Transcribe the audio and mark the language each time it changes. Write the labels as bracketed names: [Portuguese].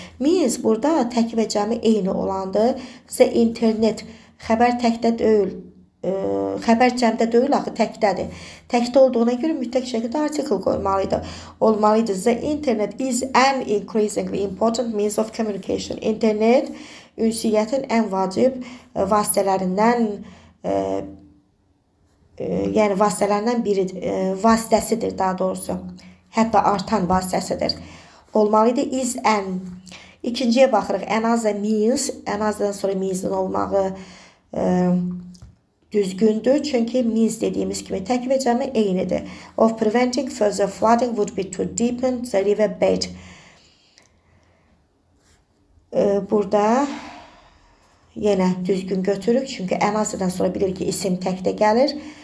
[Azerbaijani] Means burada tək və cəmi eyni olandı. The internet xəbər təkdə deyil. Xəbər cəmdə deyil, axı təkdədir. Təkdə olduğuna görə mütləq şəkildə artikl qoymalıydı. Olmalıydı. [English] The internet is an increasingly important means of communication. [Azerbaijani] İnternet ünsiyyətin ən vacib vasitələrindən yəni vasitələrindən biri vasitəsidir daha doğrusu. Hətta artan vasitəsidir. Olmalıydı. Is an. İkinciyə baxırıq. Ən az da means. Ən azdan sonra means-in olmağı düzgündür, çünki means dediyimiz kimi tək və cəmi eynidir. [English] Of preventing further flooding would be to deepen the river bed. [Azerbaijani] Burada yenə düzgün götürük, çünki ən azından sonra bilir ki, isim təkdə gəlir.